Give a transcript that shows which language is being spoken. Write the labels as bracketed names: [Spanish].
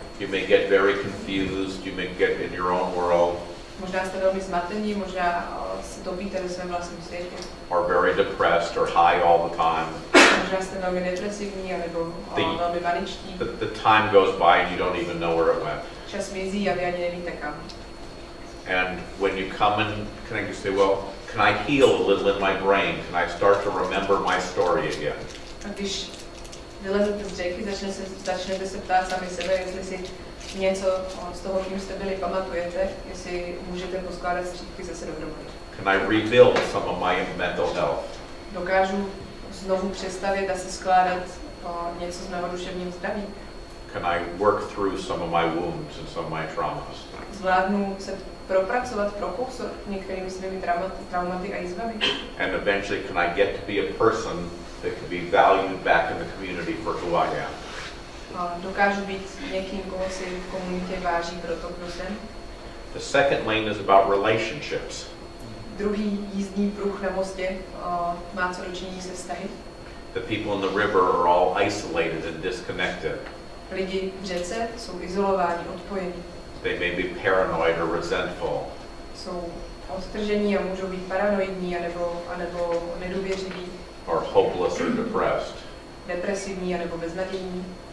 [English] You may get very confused, you may get in your own world. [Czech] Možná jste velmi zmatení, možná se topíte ve svém vlastním světě. [English] Or very depressed or high all the time. [Czech] Možná jste velmi depresivní, nebo velmi maničtí. [English] The time goes by and you don't even know where it went. [Czech] Čas mizí a vy ani nevíte kam. [English] And when you come and can I just say, well, can I heal a little in my brain? Can I start to remember my story again? [Czech] A když vylezete z řeky, začnete se ptát sami sebe, jestli si něco z toho, kým jste byli, pamatujete, jestli můžete poskládat střípky zase dohromady. [English] Can I rebuild some of my mental health? [Czech] Dokážu znovu přestavět a se skládat něco z mého duševním zdraví? [English] Can I work through some of my wounds and some of my traumas? [Czech] Zvládnu se propracovat, prokousat některými svými traumaty a jizvami? [English] And eventually can I get to be a person that can be valued back in the community for who I am. [Czech] Dokážu být někým, koho si v komunitě váží pro to, kdo jsem. [English] The second lane is about relationships. [Czech] Druhý jízdní pruh na mostě má co dočinit se vztahy. [English] The people in the river are all isolated and disconnected. [Czech] Lidi v řece jsou izolováni, odpojení. [English] They may be paranoid or resentful. [Czech] Jsou odtržení a můžou být paranoidní anebo nedůvěřiví. [English] Or hopeless or depressed. [Czech] Depresivní anebo beznadějní.